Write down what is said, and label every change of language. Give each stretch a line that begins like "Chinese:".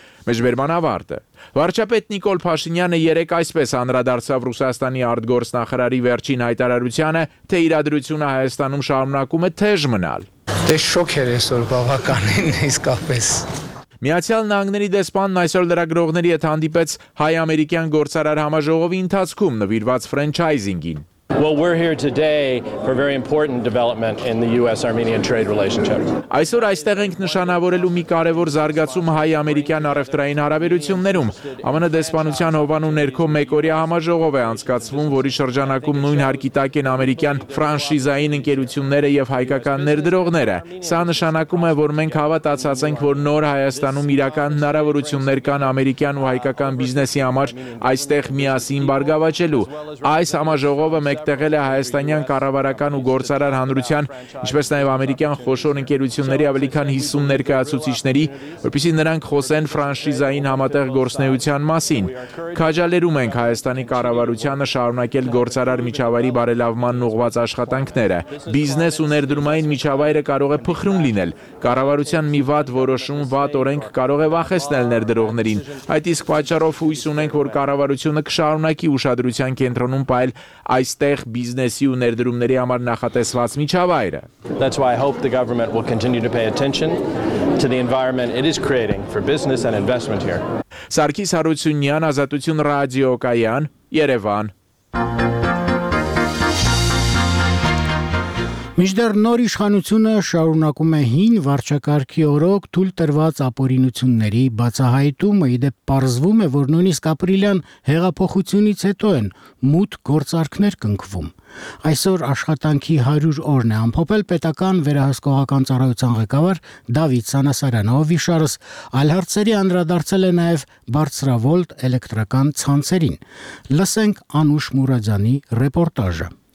Armenian: Մեջբերման ավարտը։ Վարչապետ Նիկոլ Փաշինյանը երեկ այսպես անդրադարձավ Ռուսաստանի արտգործնախարարի վերջին հայտարարությանը, թե իրադրությունը Հայաստանում շարունակում է թեժ մնալ։ Դե շոք էր այսօր բավականին իսկապես։ Միացյալ Նահանգների դեսպանն այսօր լրագրողների հետ հանդիպեց Հայ-ամերիկյան գործարար համաժողովի ընթացքում նվիրված ֆրանչայզինգին։
English: Well, we're here today for a very important development in the US-Armenian trade relationship.
Armenian: Այսօր այստեղ ենք նշանավորելու մի կարևոր զարգացում հայ-ամերիկյան առևտրային հարաբերություններում։ ԱՄՆ դեսպանության հովանու ներքո մեկօրյա համաժողով է անցկացվում, որի շրջանակում նույն հարկի տակ են ամերիկյան ֆրանշիզային ընկերությունները եւ հայկական ներդրողները։ Սա նշանակում է, որ մենք հավատացած ենք, որ նոր Հայաստանում իրական հնարավորություններ կան ամերիկյան ու հայկական բիզնեսի համար այստեղ միասին բարգավաճելու։ Այս համաժողովը մեկտեղել է հայաստանյան կառավարական ու գործարար հանրության, ինչպես նաև ամերիկյան խոշոր ընկերությունների ավելի քան 50 ներկայացուցիչների, որպեսզի նրանք խոսեն ֆրանշիզային համատեղ գործնեության մասին։ Քաջալերում ենք հայաստանի կառավարությանը շարունակել գործարար միջավայրի բարելավման ուղղված աշխատանքները։ Բիզնես ու ներդրումային միջավայրը կարող է փխրուն լինել։ Կառավարության մի վատ որոշում, վատ օրենք կարող է վախեցնել ներդրողներին։ Այդ իսկ պատճառով հույս ունենք, որ կառավարությունը կշարունակի ուշադրության կենտրոնում պահել այստեղ բիզնեսի ու ներդրումների համար նախատեսված միջավայրը։
English: That's why I hope the government will continue to pay attention to the environment it is creating for business and investment here.
Armenian: Սարգիս Հարությունյան, Ազատություն ռադիո Կայան, Երևան։ Միջդեռ նոր իշխանությունը շարունակում է հին վարչակարգի օրոք թույլ տրված ապօրինությունների բացահայտումը, իդեպ պարզվում է, որ նույնիսկ ապրիլյան հեղափոխությունից հետո են մութ գործարքներ կնքվում։ Այսօր աշխատանքի 100 օրն է ամփոփել պետական վերահսկողական ծառայության ղեկավար Դավիթ Սանասարյանը, ով իշարս այլ հարցերի անդրադարձել է նաև բարձրավոլտ էլեկտրական ցանցերին։ Լսենք Անուշ Մուրադյանի ռեպորտաժը։